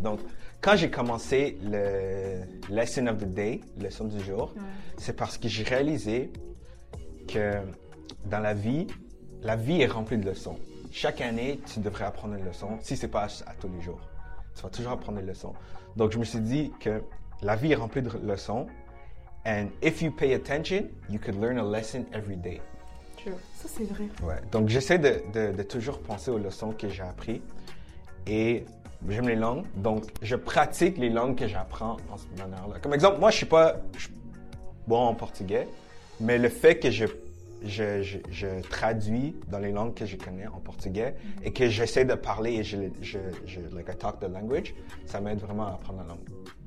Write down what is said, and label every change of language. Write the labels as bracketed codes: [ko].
[fr] Donc, quand j'ai commencé le [en] lesson of the day, [fr] leçon du jour, c'est parce que j'ai réalisé que dans la vie est remplie de leçons. Chaque année, tu devrais apprendre une leçon, si ce n'est pas à tous les jours. Tu vas toujours apprendre une leçon. Donc, je me suis dit que la vie est remplie de leçons. [en] And if you pay attention, you could learn a lesson every day. [fr] Ça, c'est vrai. Ouais. Donc, j'essaie de toujours penser aux leçons que j'ai apprises. Et j'aime les langues. Donc, je pratique les langues que j'apprends en ce moment-là. Comme exemple, moi, je suis bon en portugais. Mais le fait que je traduis dans les langues que je connais en portugais et que j'essaie de parler et je [en] like, I talk the language, [fr] ça m'aide vraiment à apprendre la langue.